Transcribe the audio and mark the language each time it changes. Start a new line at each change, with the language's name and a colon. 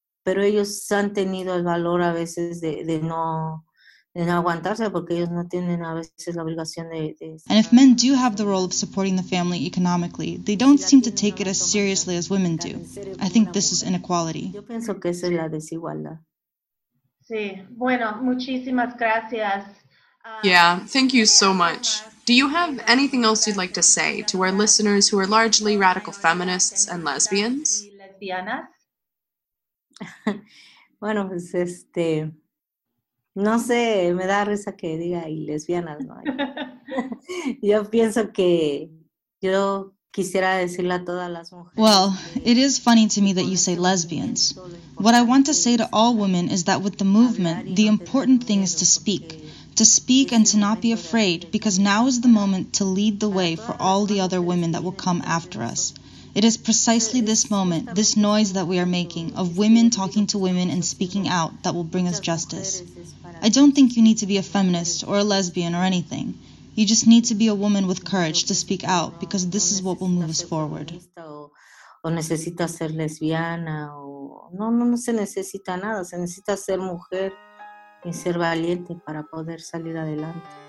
Spanish: Pero ellos han tenido el valor a veces de no aguantarse porque ellos no tienen a veces la obligación de...
English: And if men do have the role of supporting the family economically, they don't seem to take it as seriously as women do. I think this is inequality.
Spanish: Yo pienso que eso es la desigualdad. Sí, bueno, muchísimas gracias.
English: Yeah, thank you so much. Do you have anything else you'd like to say to our listeners who are largely radical feminists and lesbians?
Spanish: Lesbianas. Bueno, pues no sé, me da risa que diga y lesbianas, ¿no? Yo pienso que yo quisiera decirle a todas las mujeres.
English: Well, it is funny to me that you say lesbians. What I want to say to all women is that with the movement, the important thing is to speak and to not be afraid, because now is the moment to lead the way for all the other women that will come after us. It is precisely this moment, this noise that we are making, of women talking to women and speaking out, that will bring us justice. I don't think you need to be a feminist or a lesbian or anything. You just need to be a woman with courage to speak out, because this is what will move us forward.
Spanish: O necesita ser lesbiana, o no se necesita nada. Se necesita ser mujer y ser valiente para poder salir adelante.